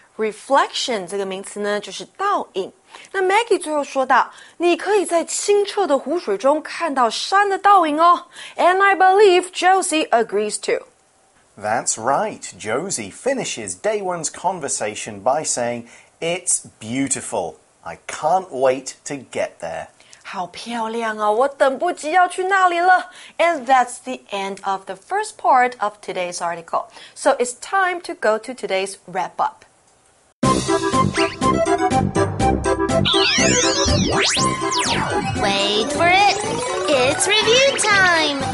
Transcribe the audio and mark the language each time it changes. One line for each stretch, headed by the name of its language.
Chinese: Reflection 这个名词呢，就是倒影。那 Maggie 最后说到，你可以在清澈的湖水中看到山的倒影哦。
English: And I believe Josie agrees too. That's right. Josie finishes day one's conversation by saying, It's beautiful. I can't wait to get there.
Chinese: 好漂亮哦，我等不及要去那里了。
English: And that's the end of the first part of today's article. So it's time to go to today's wrap up. Wait for it. It's review time.